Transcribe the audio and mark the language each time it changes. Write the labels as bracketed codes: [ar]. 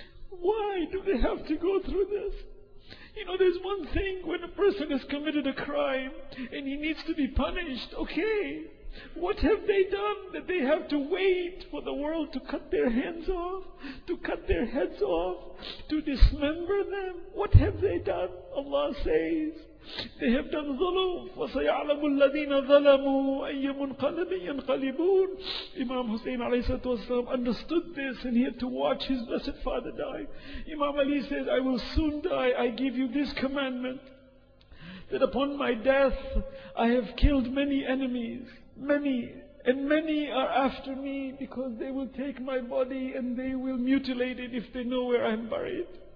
[en] Why do they have to go through this? You know, there's one thing when a person has committed a crime and he needs to be punished, okay. What have they done that they have to wait for the world to cut their hands off, to cut their heads off, to dismember them? What have they done? Allah says, they have done [ar] ظُلُوم وَسَيَعْلَمُ الَّذِينَ ظَلَمُوا أَيَّ مُنْقَلَبٍ يَنْقَلِبُونَ. [en] Imam Hussein alayhi salatu wasalam understood this and he had to watch his blessed father die. Imam Ali says, I will soon die, I give you this commandment, that upon my death I have killed many enemies. Many, and many are after me because they will take my body and they will mutilate it if they know where I am buried.